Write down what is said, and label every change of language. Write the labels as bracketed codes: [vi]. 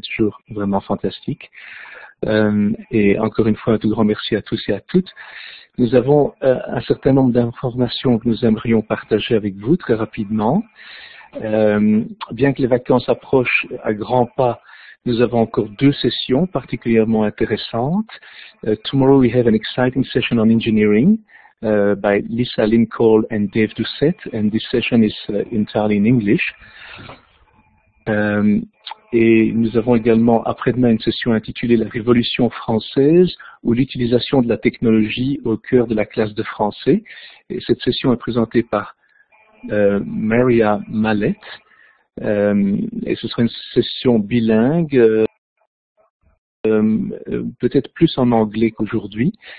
[fr] C'est toujours vraiment fantastique. Et encore une fois, un tout grand merci à tous et à toutes. Nous avons un certain nombre d'informations que nous aimerions partager avec vous très rapidement. Bien que les vacances approchent à grands pas, nous avons encore deux sessions particulièrement intéressantes. [en] Tomorrow we have an exciting session on engineering by Lisa Lincoln and Dave Doucette, and this session is entirely in English. [fr] Et nous avons également après-demain une session intitulée « La Révolution française ou l'utilisation de la technologie au cœur de la classe de français ». Et cette session est présentée par Maria Mallet. Et ce sera une session bilingue, peut-être plus en anglais qu'aujourd'hui.